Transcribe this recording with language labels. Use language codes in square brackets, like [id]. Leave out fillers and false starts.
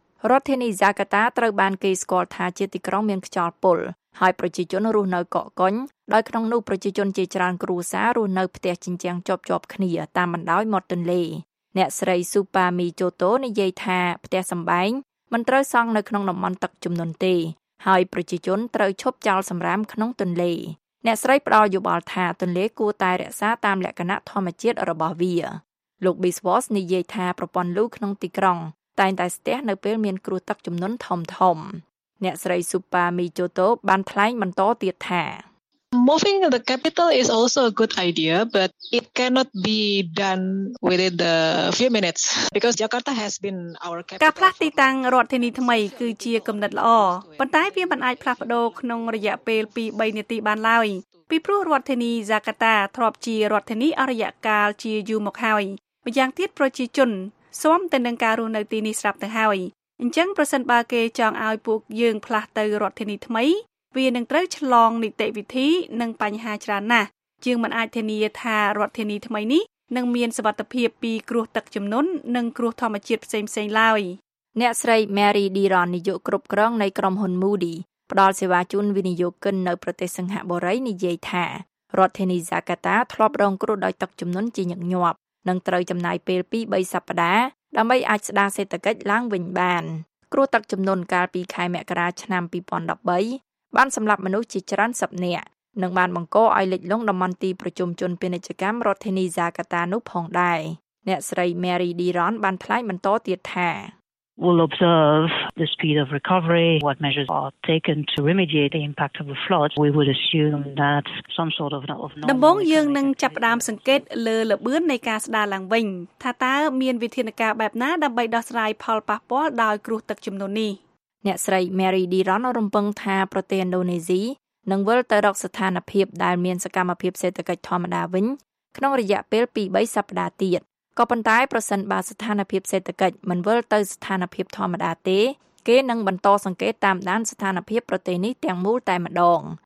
[km] រដ្ឋធានីយ៉ាកាតាត្រូវបានគេស្គាល់ថាជាទីក្រុងមានខ្យល់ពុលហើយប្រជាជនរស់នៅកក់កុញដោយក្នុងនោះប្រជាជនជាច្រើនគ្រួសាររស់នៅផ្ទះជញ្ជាំងជាប់ៗគ្នាតាមបណ្ដោយមាត់ទន្លេអ្នកស្រីស៊ូប៉ាមីជូតូនិយាយថាផ្ទះសំបែងមិនត្រូវសង់នៅក្នុងតំបន់ទឹកជំនន់ទេហើយប្រជាជនត្រូវឈប់ចោលសំរាមក្នុងទន្លេអ្នកស្រីផ្ដល់យោបល់ថាទន្លេគួរតែរក្សាតាមលក្ខណៈធម្មជាតិរបស់វា លោកប៊ីស្វ័សនិយាយថាប្រព័ន្ធលូក្នុងទីក្រុងតែងតែស្ទះនៅពេលមានគ្រោះទឹកជំនន់ធំធំអ្នកស្រីស៊ូប៉ាមីជូតូបានថ្លែងបន្តទៀតថា [en] Moving the capital is also a good idea but it cannot be done within the few minutes because Jakarta has been our capital [km] ការផ្លាស់ទីតាំងរដ្ឋធានីថ្មីគឺជាគំនិតល្អប៉ុន្តែវាមិនអាចផ្លាស់ប្ដូរក្នុងរយៈពេល 2-3 នាទីបានឡើយពីព្រោះរដ្ឋធានី Jakarta ធ្លាប់ជារដ្ឋធានីអរិយកាលជាយូរមកហើយម្យ៉ាងទៀតប្រជាជន ស្មទៅនឹងការរស់នៅទីនេះស្រាប់ទៅហើយអញ្ចឹងប្រសិនបើគេចង់ឲ្យពួកយើងផ្លាស់ទៅរដ្ឋធានីថ្មីវានឹងត្រូវឆ្លងនីតិវិធីនិងបញ្ហាច្រើនណាស់ជាងមិនអាចធានាថារដ្ឋធានីថ្មីនេះនឹងមានសវត្ថភាពពីគ្រោះទឹកជំនន់និងគ្រោះធម្មជាតិផ្សេងៗឡើយ អ្នកស្រី Mary Diron នាយកគ្រប់គ្រងនៃក្រុមហ៊ុន Moody ផ្ដល់សេវាជូនវិនិយោគិននៅប្រទេសសិង្ហបុរីនិយាយថារដ្ឋធានី Jakarta ធ្លាប់រងគ្រោះដោយទឹកជំនន់ជាញឹកញាប់និងត្រូវចំណាយពេល 2-3 សប្តាហ៍ដើម្បីអាចស្ដារសេដ្ឋកិច្ចឡើងវិញបានគ្រោះទឹកជំនន់កាលពីខែមករាឆ្នាំ2013បានសម្លាប់មនុស្សជាច្រើនសិបនាក់និងបានបង្កឲ្យលិចលង់តំបន់ទីប្រជុំជនពាណិជ្ជកម្មរដ្ឋធានីហ្សាកាតានោះផងដែរអ្នកស្រី Mary Diron បានថ្លែងបន្តទៀតថា [en] will observe the speed of recovery, what measures are taken to remediate the impact of the flood. We would assume that some sort of normal... [km] ដំបងយើងនឹងចាប់ផ្ដើមសង្កេតលើល្បឿននៃការស្ដារឡើងវិញថាតើមានវិធានការបែបណាដើម្បីដោះស្រាយផលប៉ះពាល់ដោយគ្រោះទឹកជំនន់នេះ អ្នកស្រី Mary Diron រំពឹងថាប្រទេសឥណ្ឌូនេស៊ីនឹងវិលទៅរកស្ថានភាពដែលមានសកម្មភាពសេដ្ឋកិច្ចធម្មតាវិញក្នុងរយៈពេល 2-3 សប្តាហ៍ទៀតក៏ប៉ុន្តែប្រសិនបើស្ថានភាពសេដ្ឋកិច្ចមិនវិលទៅស្ថានភាពធម្មតាទេគេនឹងបន្តសង្កេតតាមដានស្ថានភាពប្រទេសនេះទាំងមូលតែម្ដង